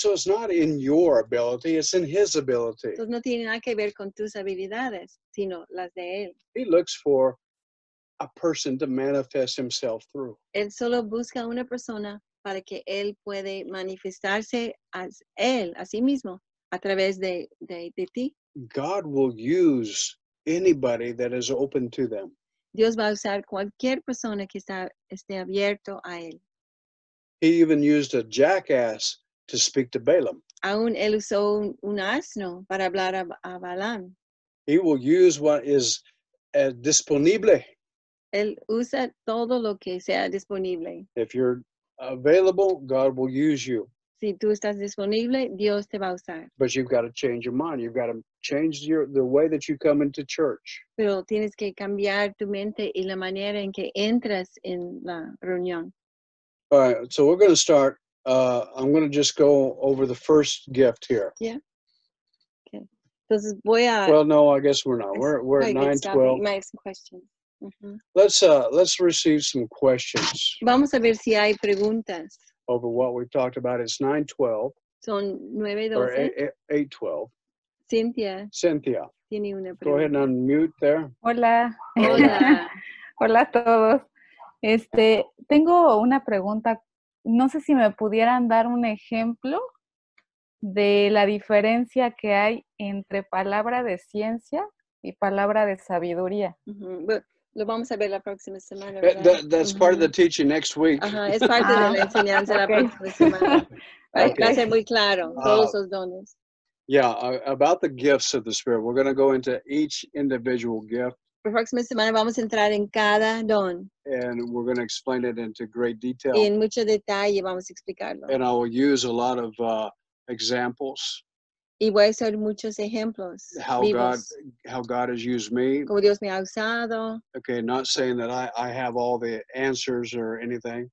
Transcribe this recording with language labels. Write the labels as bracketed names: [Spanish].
[English] So it's not in your ability, it's in His ability. [Spanish] Entonces no tiene nada que ver con tus habilidades, sino las de Él. [English] He looks for a person to manifest Himself through. [Spanish] Él solo busca una persona para que Él puede manifestarse as Él, a sí mismo, a través de ti. [English] God will use anybody that is open to them. [Spanish] Dios va a usar cualquier persona que esté abierto a Él. [English] He even used a jackass to speak to Balaam. [Spanish] Aún él usó un asno para hablar a Balaam. [English] He will use what is disponible. [Spanish] Él usa todo lo que sea disponible. [English] If you're available, God will use you. [Spanish] Si tú estás disponible, Dios te va a usar. [English] But you've got to change your mind. You've got to change the way that you come into church. [Spanish] Pero tienes que cambiar tu mente y la manera en que entras en la reunión. [English] All right, so we're going to start. I'm going to just go over the first gift here. [Spanish] Yeah. Okay. Entonces voy a. [English] Well, no, I guess we're not. We're at 9:12. My question. Mm-hmm. Let's receive some questions. [Spanish] Vamos a ver si hay preguntas. [English] Over what we've talked about. It's 9:12. [Spanish] Son 9:12. [English] Or 8:12. [Spanish] Cynthia. Tiene una pregunta. [English] Go ahead and unmute there. [Spanish] Hola. Hola. Hola a todos. Tengo una pregunta. No sé si me pudieran dar un ejemplo de la diferencia que hay entre palabra de ciencia y palabra de sabiduría. Mm-hmm. Lo vamos a ver la próxima semana. [English] That's mm-hmm. part of the teaching next week. [Spanish] Es parte de la enseñanza la próxima semana. Okay. Va a ser muy claro, todos esos dones. [English] Yeah, about the gifts of the Spirit. We're going to go into each individual gift. [Spanish] La próxima semana vamos a entrar en cada don. [English] And we're going to explain it into great detail. [Spanish] Y en mucho detalle vamos a explicarlo. [English] And I will use a lot of examples. [Spanish] Y voy a hacer muchos ejemplos vivos. [English] How God has used me. [Spanish] Como Dios me ha usado. [English] Okay, not saying that I have all the answers or anything.